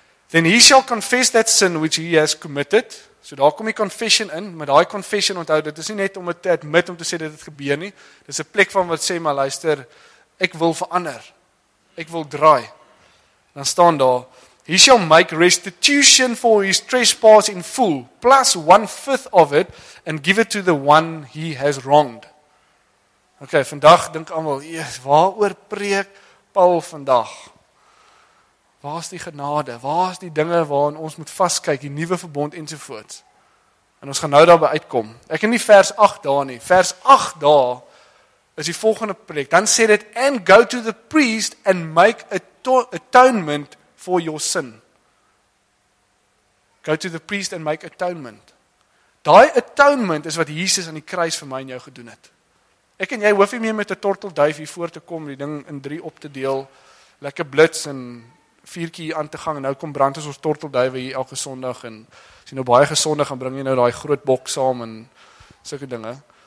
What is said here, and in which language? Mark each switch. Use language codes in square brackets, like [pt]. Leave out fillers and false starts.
[en] Then he shall confess that sin which he has committed. [af] So daar kom die confession in, maar die confession onthou, dit is nie net om het te admit, om te sê dat het gebeur nie. Dit is een plek van wat sê, maar luister, ek wil verander. Ek wil draai. Dan staan daar, [en] he shall make restitution for his trespass in full, plus 1/5 of it, and give it to the one he has wronged. [af] Ok, vandag dink allemaal, waaroor preek Paul vandag? Waar is die genade? Waar is die dinge waarin ons moet vastkyk, die nieuwe verbond enzovoort? En ons gaan nou daarby uitkom. Ek in die vers 8 daar nie. Vers 8 daar is die volgende preek. Dan sê dit, [en] and go to the priest and make atonement for your sin. Go to the priest and make atonement. [af] Daai atonement is wat Jesus aan die kruis vir my en jou gedoen het. Ek en jy hoef nie meer met 'n tortelduif hier voor te kom, die ding in 3 op te deel, lekker blits en vuurtjie aan te gang, en nou kom brand ons tortelduif hier elke sondag, en as jy nou baie gesondig, en bring jy nou die groot bok saam, en sulke dinge.